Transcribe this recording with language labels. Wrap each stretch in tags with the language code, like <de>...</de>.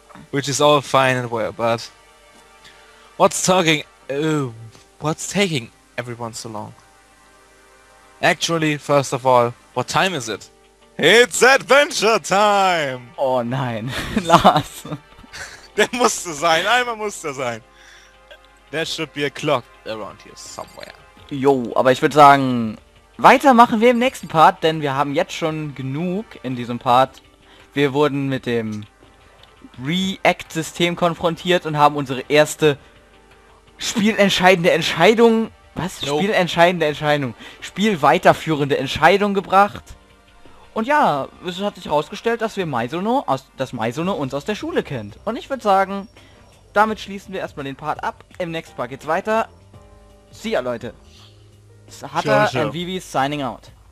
<en>Which is all fine and well, but what's taking everyone so long? Actually, first of all, what time is it? It's adventure time!</en> <de>Oh nein, Lars. Der musste sein, einmal musste sein.</de> <en>There should be a clock around here somewhere.</en> <de>Jo, aber ich würde sagen, weitermachen wir im nächsten Part, denn wir haben jetzt schon genug in diesem Part. Wir wurden mit dem React-System konfrontiert und haben unsere erste spielentscheidende Entscheidung... Was? Nope. Spielentscheidende Entscheidung. Spielweiterführende Entscheidung gebracht. Und ja, es hat sich herausgestellt, dass wir Maisono uns aus der Schule kennt. Und ich würde sagen, damit schließen wir erstmal den Part ab. Im nächsten Part geht's weiter.</de> <en>See ya, Leute. Hatta and Vivi signing out.</en>